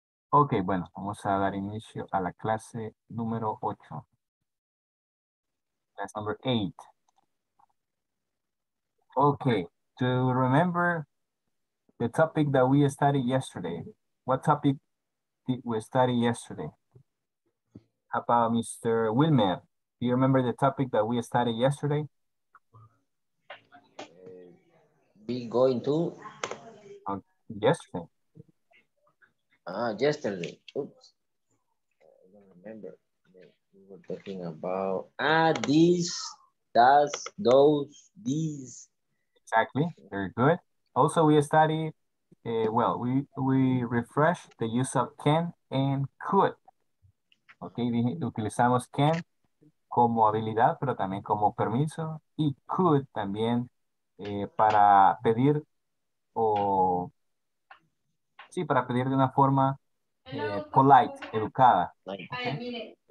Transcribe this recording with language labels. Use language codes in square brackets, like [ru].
[es] Ok, bueno, vamos a dar inicio a la clase número 8. [en] Class number 8. Ok, do you remember the topic that we studied yesterday? What topic we studied yesterday? How about Mr. Wilmer? Do you remember the topic that we studied yesterday? We going to? Yesterday. Yesterday. Oops. I don't remember. We were talking about these, does, those, these. Exactly. Very good. Also, we studied we refresh the use of can and could. [es] Okay, utilizamos can como habilidad, pero también como permiso. Y could también para pedir o... Sí, para pedir de una forma polite, educada. Okay.